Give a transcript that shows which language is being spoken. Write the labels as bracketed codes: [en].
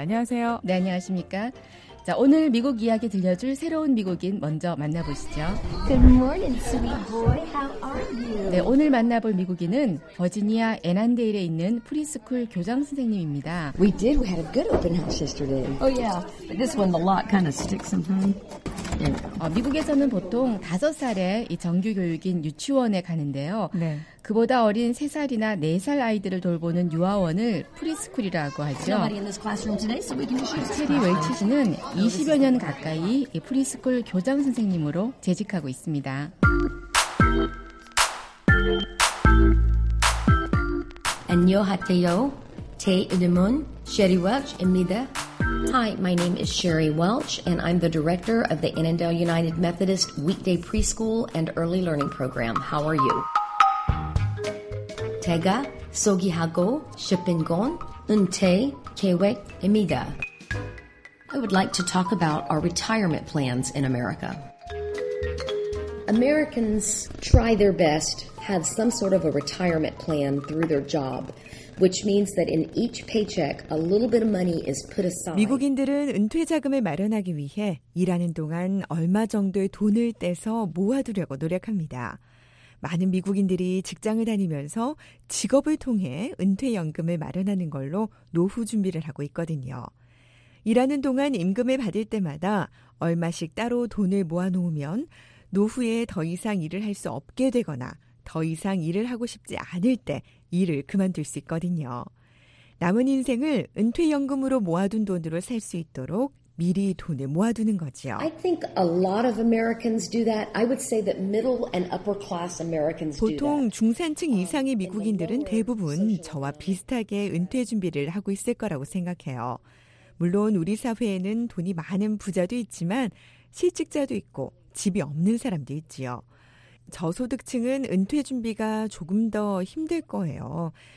[ko] 안녕하세요. 네, 안녕하십니까. 자, 오늘 미국 이야기 들려줄 새로운 미국인 먼저 만나보시죠. [en] Good morning, sweet boy. How are you? [ko] 네, 오늘 만나볼 미국인은 버지니아 애난데일에 있는 프리스쿨 교장 선생님입니다. [en] We did. We had a good open house yesterday. Oh yeah. But this one, the lock kind of sticks sometimes. [ko] 어, 미국에서는 보통 5살에 이 정규 교육인 유치원에 가는데요. 네. 그보다 어린 3살이나 4살 아이들을 돌보는 유아원을 프리스쿨이라고 하죠. 체리 웰치 씨는 20여 년 가까이 프리스쿨 교장 선생님으로 재직하고 있습니다. 안녕하세요. 제 이름은 체리 웰치입니다. [en] Hi, my name is Sherry Welch, and I'm the director of the Annandale United Methodist Weekday Preschool and Early Learning Program. How are you? [ko] 제가 소개하고 싶은 건 은퇴 계획입니다. [en] I would like to talk about our retirement plans in America. Americans try their best, have some sort of a retirement plan through their job. Which means that in each paycheck, a little bit of money is put aside. [ko] 미국인들은 은퇴 자금을 마련하기 위해 일하는 동안 얼마 정도의 돈을 떼서 모아두려고 노력합니다. 많은 미국인들이 직장을 다니면서 직업을 통해 은퇴 연금을 마련하는 걸로 노후 준비를 하고 있거든요. 일하는 동안 임금을 받을 때마다 얼마씩 따로 돈을 모아놓으면 노후에 더 이상 일을 할 수 없게 되거나 더 이상 일을 하고 싶지 않을 때 일을 그만둘 수 있거든요. 남은 인생을 은퇴연금으로 모아둔 돈으로 살 수 있도록 미리 돈을 모아두는 거죠. [en] I think a lot of Americans do that. I would say that middle and upper class Americans do that. [ko] 보통 중산층 이상의 미국인들은 대부분 저와 비슷하게 은퇴 준비를 하고 있을 거라고 생각해요. 물론 우리 사회에는 돈이 많은 부자도 있지만 실직자도 있고 집이 없는 사람도 있지요. 저소득층은 은퇴 준비가 조금 더 힘들 거예요.